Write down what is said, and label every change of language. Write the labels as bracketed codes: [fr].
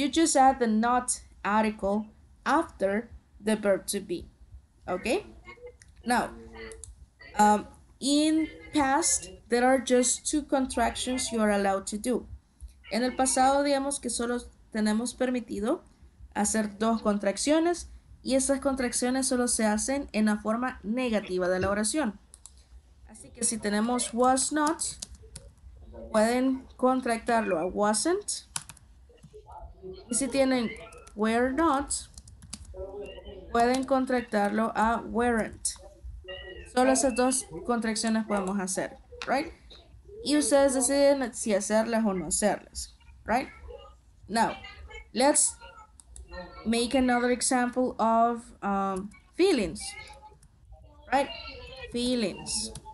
[en] You just add the not article after the verb to be. Okay? Now, in past, there are just two contractions you are allowed to do. [es] En el pasado, digamos que solo tenemos permitido hacer dos contracciones y esas contracciones solo se hacen en la forma negativa de la oración. Así que si tenemos was not, pueden contractarlo a wasn't. Y si tienen were not, pueden contractarlo a weren't. Solo esas dos contracciones podemos hacer, right? Y ustedes deciden si hacerlas o no hacerlas, right? [en] Now, let's make another example of feelings, right? Feelings.